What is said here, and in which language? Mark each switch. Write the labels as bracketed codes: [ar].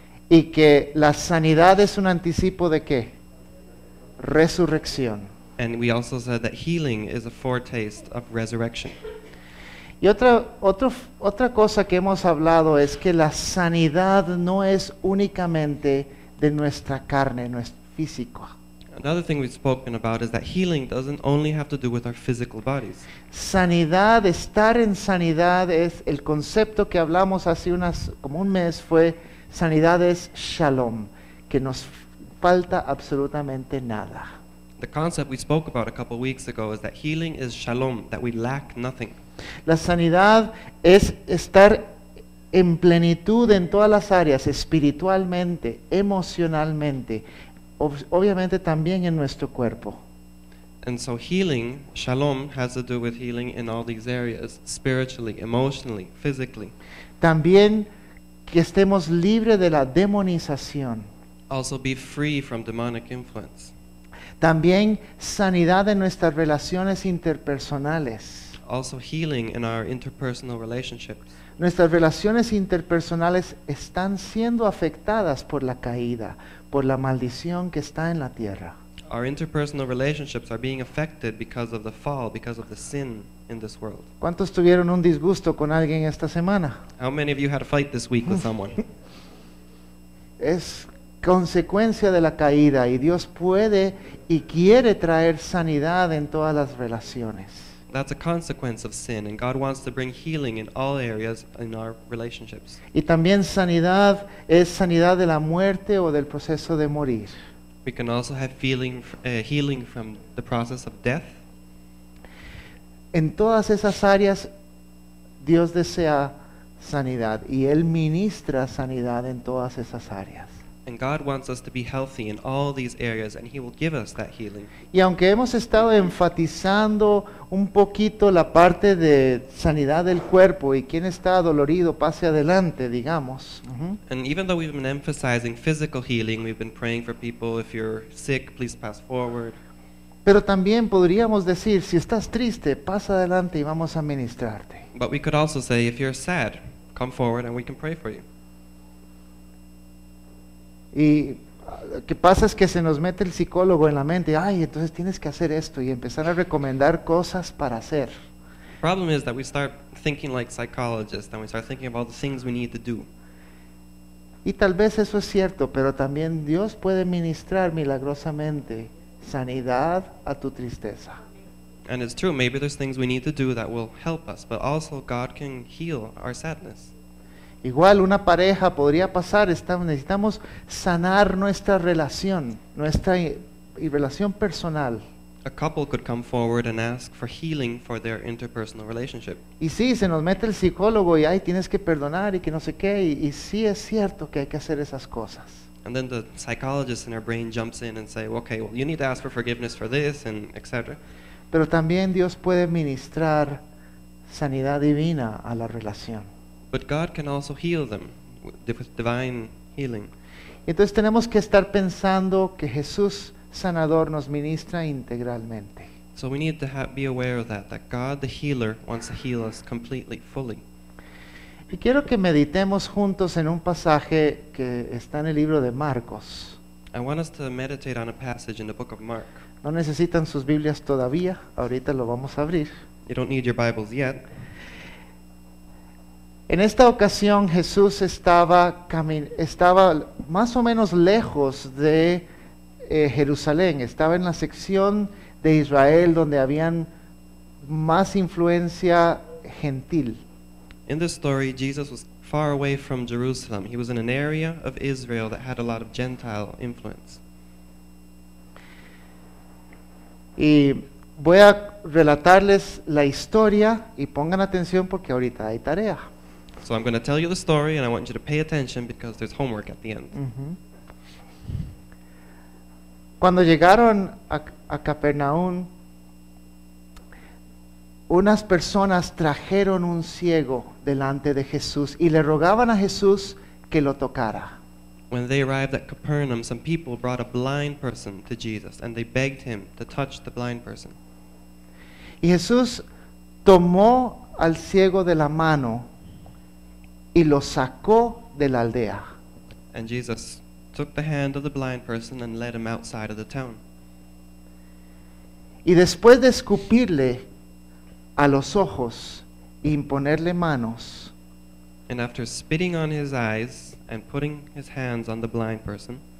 [es] Y que la sanidad es un anticipo de qué? Resurrección. [en] And we also said that healing is a foretaste of resurrection. [es] Y otra cosa que hemos hablado es que la sanidad no es únicamente de nuestra carne, nuestro físico. [en] Another thing we've spoken about is that healing doesn't only have to do with our physical bodies. [es] Sanidad, estar en sanidad es el concepto que hablamos hace unas como un mes fue sanidad es shalom, que nos falta absolutamente nada. [en] The concept we spoke about a couple weeks ago is that healing is shalom, that we lack nothing. [es] La sanidad es estar en plenitud en todas las áreas, espiritualmente, emocionalmente, obviamente también en nuestro cuerpo. [en] And so healing, shalom, has to do with healing in all these areas, spiritually, emotionally, physically. [es] También que estemos libres de la demonización. [en] Also be free from demonic influence. [es] También sanidad en nuestras relaciones interpersonales. [en] Also healing in our interpersonal relationships. [es] Nuestras relaciones interpersonales están siendo afectadas por la caída, por la maldición que está en la tierra. [en] Our interpersonal relationships are being affected because of the fall, because of the sin in this world. [es] ¿Cuántos tuvieron un disgusto con alguien esta semana? [en] How many of you had a fight this week with someone? [es] Es consecuencia de la caída y Dios puede y quiere traer sanidad en todas las relaciones. [en] That's a consequence of sin, and God wants to bring healing in all areas in our relationships. [es] Y también sanidad es sanidad de la muerte o del proceso de morir. [en] We can also have healing from the process of death. [es] En todas esas áreas, Dios desea sanidad, y Él ministra sanidad en todas esas áreas. [en] And God wants us to be healthy in all these areas, and He will give us that healing. [es] Y aunque hemos estado enfatizando un poquito la parte de sanidad del cuerpo, y quien está dolorido pase adelante, digamos. [en] And even though we've been emphasizing physical healing, we've been praying for people, if you're sick, please pass forward. [es] Pero también podríamos decir, si estás triste, pasa adelante y vamos a ministrarte. [en] But we could also say, if you're sad, come forward and we can pray for you. [es] Y lo que pasa es que se nos mete el psicólogo en la mente, ay, entonces tienes que hacer esto y empezar a recomendar cosas para hacer. [en] The problem is that we start thinking like psychologists and we start thinking about the things we need to do. [es] Y tal vez eso es cierto, pero también Dios puede ministrar milagrosamente sanidad a tu tristeza. [en] And it's true, maybe there's things we need to do that will help us, but also God can heal our sadness. [es] Igual una pareja podría pasar, necesitamos sanar nuestra relación, nuestra relación personal. [en] A couple could come forward and ask for healing for their interpersonal relationship. [es] Y sí, se nos mete el psicólogo y ay, tienes que perdonar y que no sé qué, y sí es cierto que hay que hacer esas cosas. [en] And then the psychologist in our brain jumps in and say, okay, well, you need to ask for forgiveness for this and etc. [es] Pero también Dios puede ministrar sanidad divina a la relación. [en] But God can also heal them with divine healing. [es] Entonces tenemos que estar pensando que Jesús sanador nos ministra integralmente. [en] So we need to be aware of that God the healer wants to heal us completely, fully. [es] Y quiero que meditemos juntos en un pasaje que está en el libro de Marcos. [en] I want us to meditate on a passage in the book of Mark. [es] No necesitan sus Biblias todavía, ahorita lo vamos a abrir. [en] You don't need your Bibles yet. [es] En esta ocasión Jesús estaba más o menos lejos de Jerusalén, estaba en la sección de Israel donde habían más influencia gentil. [en] In this story, Jesus was far away from Jerusalem. He was in an area of Israel that had a lot of Gentile influence. [es] Y voy a relatarles la historia y pongan atención porque ahorita hay tarea. [en] So I'm going to tell you the story, and I want you to pay attention because there's homework at the end. [es] Cuando llegaron a Capernaum, unas personas trajeron un ciego delante de Jesús y le rogaban a Jesús que lo tocara. [en] When they arrived at Capernaum, some people brought a blind person to Jesus, and they begged him to touch the blind person. [es] Y Jesús tomó al ciego de la mano y lo sacó de la aldea. [en] And Jesus took the hand of the blind person and led him outside of the town. [es] Y después de escupirle a los ojos, imponerle manos, [en] and after spitting on his eyes and putting his hands on the blind person,